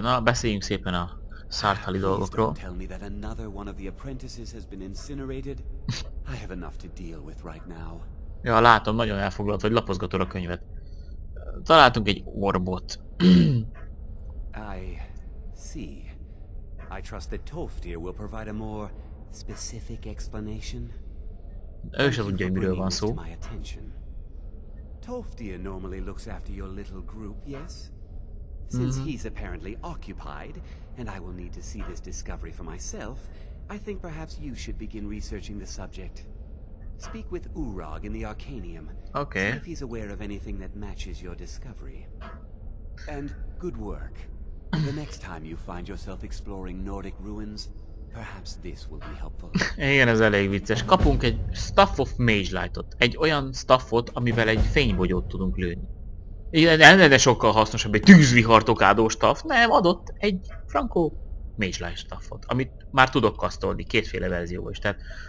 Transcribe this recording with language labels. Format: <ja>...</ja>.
<hu>Na, beszéljünk szépen a szárthali dolgokról.</hu> <en>Please tell me that another one of the apprentices has been incinerated. I have enough to deal with right now.</en> <hu>Ja, látom, nagyon elfoglalt, hogy lapozgatod a könyvet. Találtunk egy orbot.</hu> <en>I see. I trust that Tolfdir will provide a more specific explanation.</en> <hu>Ő se tudja, hogy miről van szó.</hu> <en>Tolfdir normally looks after your little group, yes? Since he's apparently occupied, and I will need to see this discovery for myself, I think perhaps you should begin researching the subject. Speak with Urog in the Arcanium. Okay. See if he's aware of anything that matches your discovery. And good work. The next time you find yourself exploring Nordic ruins, perhaps this will be helpful.</en> <hu>Igen, ez elég vicces. Kapunk egy Staff of Mage Lightot. Egy olyan staffot, amivel egy fénybogyót tudunk lőni. Igen, de sokkal hasznosabb egy tűzvihartokádó staff. Nem, adott egy Franco Mage Light staffot, amit már tudok kasztolni, kétféle verzió is, tehát...</hu>